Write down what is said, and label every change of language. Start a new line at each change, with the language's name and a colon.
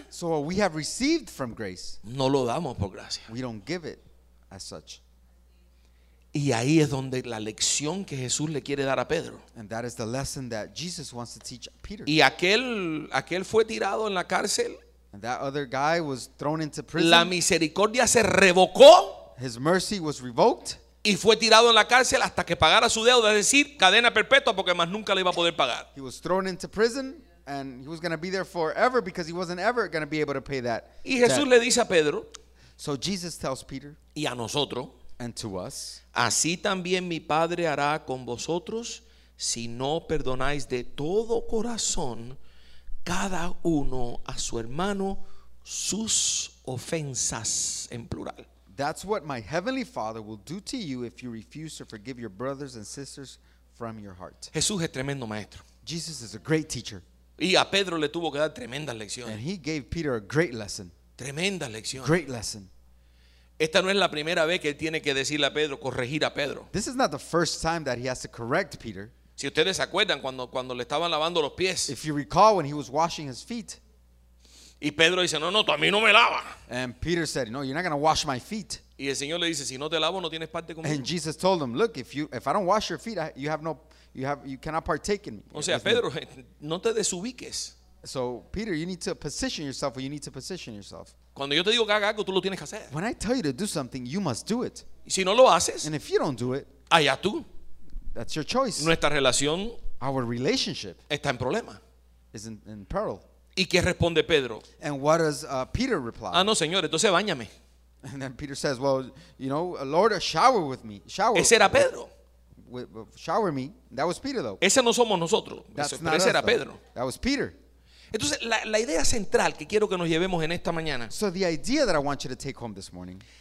English: so what we have received from grace,
Spanish: no lo damos por gracia.
English: We don't give it as such.
Spanish: Y ahí es donde la lección que Jesús le quiere dar a Pedro.
English: And that is the lesson that Jesus wants to teach Peter.
Spanish: Y aquel fue tirado en la cárcel.
English: And that other guy was thrown into prison.
Spanish: La misericordia se revocó.
English: His mercy was revoked.
Spanish: Y fue tirado en la cárcel hasta que pagara su deuda, es decir, cadena perpetua, porque más nunca le iba a poder pagar.
English: He was thrown into prison and he was going to be there forever because he wasn't ever going to be able to pay that.
Spanish: Y Jesús le dice a Pedro,
English: so Jesus tells Peter,
Spanish: y a nosotros,
English: and to us,
Spanish: así también mi Padre hará con vosotros si no perdonáis de todo corazón cada uno a su hermano sus ofensas, en plural.
English: That's what my heavenly Father will do to you if you refuse to forgive your brothers and sisters from your heart.
Spanish: Jesús es tremendo maestro.
English: Jesus is a great teacher.
Spanish: Y a Pedro le tuvo que dar tremendas lecciones.
English: And he gave Peter a great lesson.
Spanish: Tremendas lecciones.
English: Great lesson.
Spanish: Esta no es la primera vez que él tiene que decirle a Pedro, corregir a Pedro.
English: This is not the first time that he has to correct Peter.
Spanish: Si ustedes se acuerdan cuando le estaban lavando los pies.
English: If you recall when he was washing his feet.
Spanish: Y Pedro dice, no, tú a mí no me lava.
English: And Peter said, no, you're not going to wash my feet.
Spanish: Y el Señor le dice, si no te lavo, no tienes parte conmigo.
English: And Jesus told him, look, if I don't wash your feet, you cannot partake in me.
Spanish: O sea, Pedro, no te desubiques.
English: So, Peter, you need to position yourself where you need to position yourself.
Spanish: Cuando yo te digo que haga algo, tú lo tienes que hacer.
English: When I tell you to do something, you must do it.
Spanish: Y si no lo haces,
English: and if you don't do it,
Spanish: allá tú.
English: That's your choice.
Spanish: Nuestra relación,
English: our relationship,
Spanish: está en problema.
English: Is in peril.
Spanish: ¿Y qué responde Pedro?
English: And what does Peter reply?
Spanish: Ah, no, señor, entonces báñame.
English: And then Peter says, well, you know, Lord, shower with me. Shower.
Spanish: Ese era Pedro.
English: Shower me. That was Peter, though.
Spanish: Ese no somos nosotros.
English: That's
Spanish: ese,
English: not
Spanish: ese
English: us,
Spanish: era
English: though.
Spanish: Pedro.
English: That was Peter.
Spanish: Entonces, la idea central que quiero que nos llevemos en esta mañana.
English: So the idea that I want you to take home this morning.